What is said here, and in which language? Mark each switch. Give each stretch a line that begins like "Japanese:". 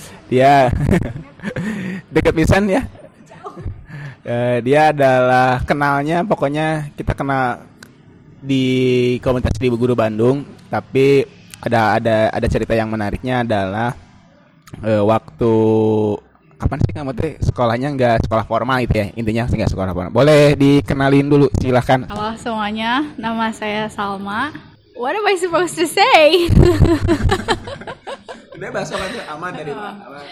Indonesian: Dia deket pisan ya. Dia adalah kenalnya, pokoknya kita kenal di komunitas Seribu Guru Bandung. Tapi ada cerita yang menariknya adalah waktu kapan sih kamu tuh sekolahnya nggak sekolah formal itu ya, intinya nggak sekolah formal. Boleh dikenalin dulu, silahkan. Halo semuanya, nama saya Salma.
English: What am I supposed to say?
Indonesian: Ini bahasa Bandung aman dari mana?